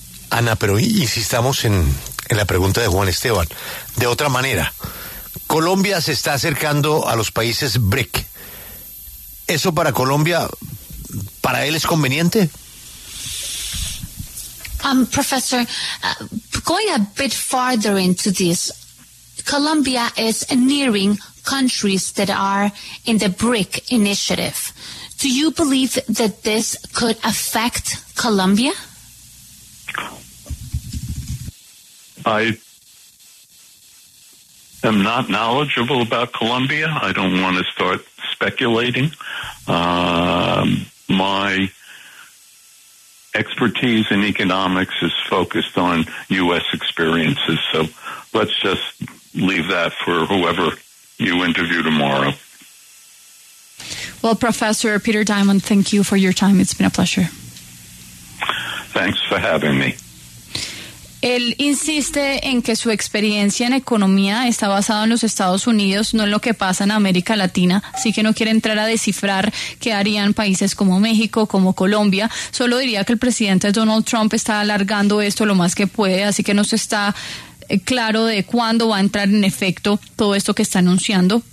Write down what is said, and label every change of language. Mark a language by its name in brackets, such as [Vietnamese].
[Spanish] Ana, pero insistamos en la pregunta de Juan Esteban. De otra manera, Colombia se está acercando a los países BRIC. ¿Eso para Colombia, para él es conveniente? [English] Professor, going a bit farther into this, Colombia is nearing countries that are in the BRIC initiative. Do you believe that this could affect Colombia? I am not knowledgeable about Colombia. I don't want to start speculating. My expertise in economics is focused on U.S. experiences, so let's just leave that for whoever you interview tomorrow. Well, Professor Peter Diamond, thank you for your time. It's been a pleasure. Thanks for having me. [Spanish] Él insiste en que su experiencia en economía está basada en los Estados Unidos, no en lo que pasa en América Latina, así que no quiere entrar a descifrar qué harían países como México, como Colombia. Solo diría que el presidente Donald Trump está alargando esto lo más que puede, así que no se está claro de cuándo va a entrar en efecto todo esto que está anunciando.